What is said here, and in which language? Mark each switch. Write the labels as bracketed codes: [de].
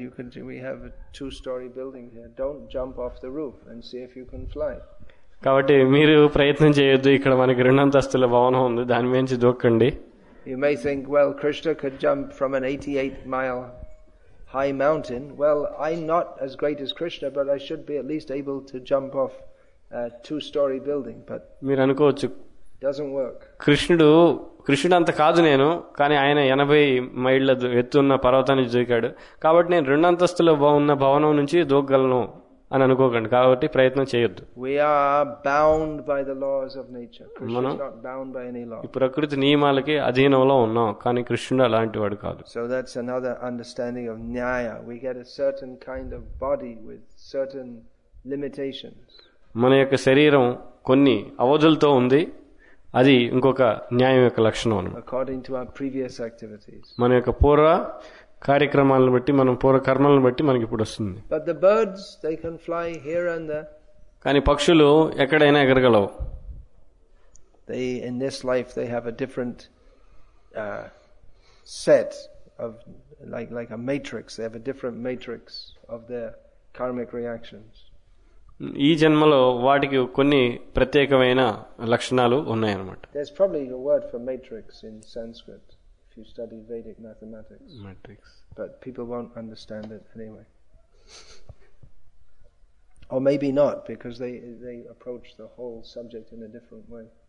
[en] You can see we have a two-story building here. Don't jump off the roof and see if you can fly. [te] కాబట్టి మీరు ప్రయత్నం చేయొద్దు, ఇక్కడ మనకి రెండంతస్తుల భవనం ఉంది దాని మీంచి దూకండి. [en] You may think, well, Krishna could jump from an 88-mile high mountain. Well, I'm not as great as Krishna, but I should be at least able to jump off a two-story building. But [te] మీరు అనుకోవచ్చు, [en] doesn't work. [te] కృష్ణుడు అంత కాదు నేను, కానీ ఆయన 80 మైళ్ళ ఎత్తున్న పర్వతాన్ని దూకాడు, కాబట్టి నేను రెండంతస్తుల ఉన్న భవనం నుంచి దూకగలను అని అనుకోకండి. కాబట్టి ప్రయత్నం చేయొద్దు. [en] We are bound by the laws of nature. Krishna is not bound by any law. [te] ప్రకృతి నియమాలకి అధీనంలో ఉన్నాం, కానీ కృష్ణుడు అలాంటి వాడు కాదు. [en] So that's another understanding of nyaya. We get a certain kind of body with certain limitations. [te] మన యొక్క శరీరం కొన్ని అవధులతో ఉంది, అది ఇంకొక న్యాయం యొక్క లక్షణం. [en] according to our previous activities, [te] మన యొక్క పూర్వ కార్యక్రమాలను బట్టి మనం పూర్వ కర్మలను బట్టి మనకి ఇప్పుడు వస్తుంది. [en] But the birds they can fly here and there. [te] కానీ పక్షులు ఎక్కడైనా ఎగరగలవు. [en] They in this life they have a different set of like a matrix. They have a different matrix of their karmic reactions. [te] ఈ జన్మలో వాటికి కొన్ని ప్రత్యేకమైన లక్షణాలు ఉన్నాయి అన్నమాట. [en] There is probably a word for matrix in Sanskrit if you study Vedic mathematics. Matrix but people won't understand it anyway. Or maybe not, because they approach the whole subject in a different way.